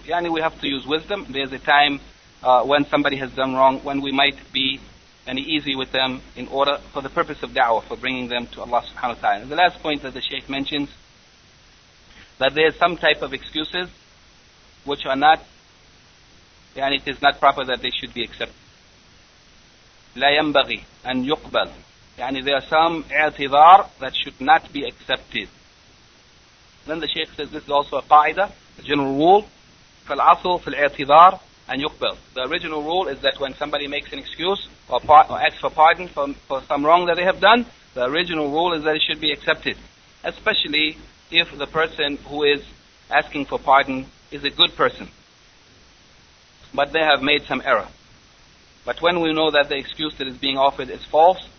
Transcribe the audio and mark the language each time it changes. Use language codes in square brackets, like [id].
[en] Yani we have to use wisdom. There is a time when somebody has done wrong, when we might be easy with them in order for the purpose of da'wah, for bringing them to Allah subhanahu wa ta'ala. The last point that the Shaykh mentions, that there is some type of excuses which are not, and it is not proper that they should be accepted. [ar] لا ينبغي أن يقبل. [en] يعني there are some اعتذار that should not be accepted. Then the Shaykh says this is also a qaida, a general rule. [ar] فالعصل في الاعتذار أن يقبل. [en] The original rule is that when somebody makes an excuse or asks for pardon for some wrong that they have done, the original rule is that it should be accepted. Especially if the person who is asking for pardon is a good person, but they have made some error. But when we know that the excuse that is being offered is false,